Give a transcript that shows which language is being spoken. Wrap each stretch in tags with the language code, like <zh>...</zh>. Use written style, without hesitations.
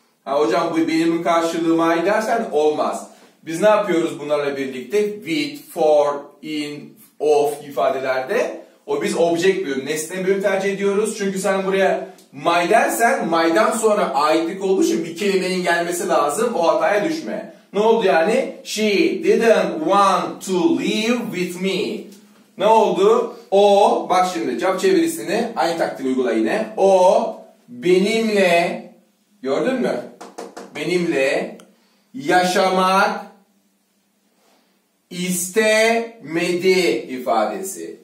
<tr>Ha hocam bu benimin karşılığı my dersen olmaz. Biz ne yapıyoruz bunlarla birlikte?</tr> <en>With, for, in, of</en> <tr>ifadelerde. O biz object bölüm, nesne bölüm tercih ediyoruz. Çünkü sen buraya my dersen, my'dan sonra aitlik olduğu için bir kelimenin gelmesi lazım. O hataya düşme. Ne oldu yani?</tr> <en>She didn't want to leave with me.</en> <tr>Ne oldu? O, bak şimdi cevap çevirisini aynı taktik uygula yine. O benimle, gördün mü? Benimle yaşamak istemedi ifadesi.</tr>